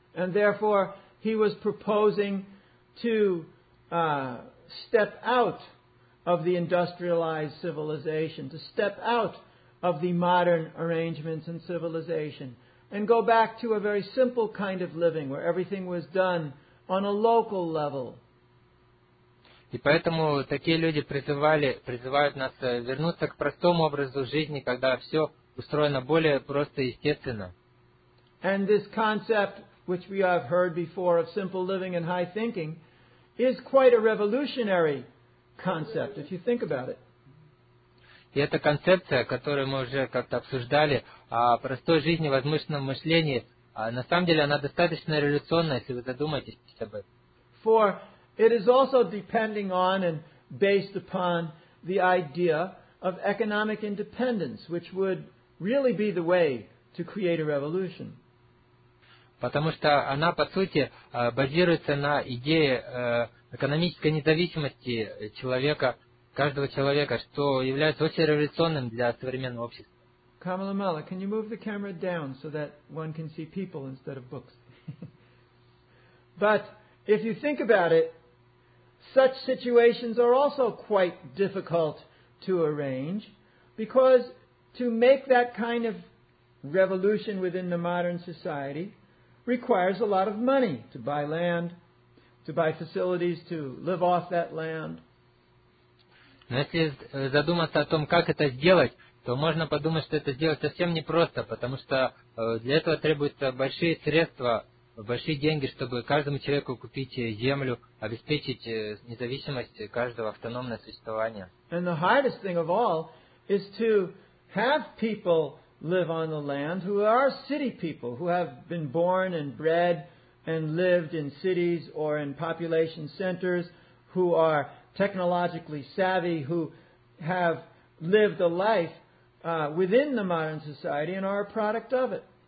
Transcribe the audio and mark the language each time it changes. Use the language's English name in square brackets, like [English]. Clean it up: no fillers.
[English] And therefore, he was proposing to step out of the industrialized civilization, to step out of the modern arrangements and civilization, and go back to a very simple kind of living where everything was done on a local level. [Russian] И поэтому такие люди призывают нас вернуться к простому образу жизни, когда все устроено более просто и естественно. [English] And this concept, which we have heard before, of simple living and high thinking, is quite a revolutionary concept, if you think about it. [Russian] И эта концепция, которую мы уже как-то обсуждали, о простой жизни, возвышенном мышлении, на самом деле она достаточно революционная, если вы задумаетесь об этом. [English] For it is also depending on and based upon the idea of economic independence, which would really be the way to create a revolution. [Russian] Потому что она, по сути, базируется на идее экономической независимости человека, каждого человека, что является очень революционным для современного общества. [English] Камала Мала, can you move the camera down so that one can see people instead of books? But if you think about it, such situations are also quite difficult to arrange, because to make that kind of revolution within the modern society requires a lot of money to buy land, to buy facilities to live off that land. [Russian] Но если задуматься о том, как это сделать, то можно подумать, что это сделать совсем непросто, потому что для этого требуются большие средства, большие деньги, чтобы каждому человеку купить землю, обеспечить независимость каждого, автономное существование. [English] And the hardest thing of all is to have people live on the land who are city people, who have been born and bred and lived in cities or in population centers, who are technologically savvy, who have lived a life within the modern society and are a product of it.